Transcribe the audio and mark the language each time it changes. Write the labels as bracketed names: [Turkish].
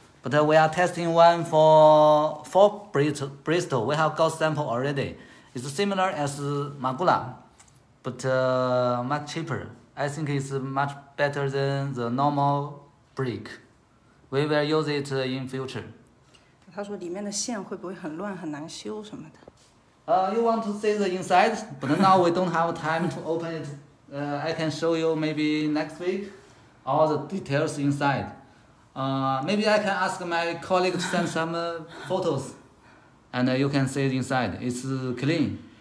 [English] But we are testing one for four Bristol. We have got sample already. It's similar as Magula, but much cheaper. I think it's much better than the normal brake. We will use it in future. [Chinese] 他说里面的线会不会很乱很难修什么的 [English] You want to see the inside, but now we don't have time to open it. I can show you maybe next week all the details inside. Maybe I can ask my colleague to send some photos and you can see it inside. It's clean.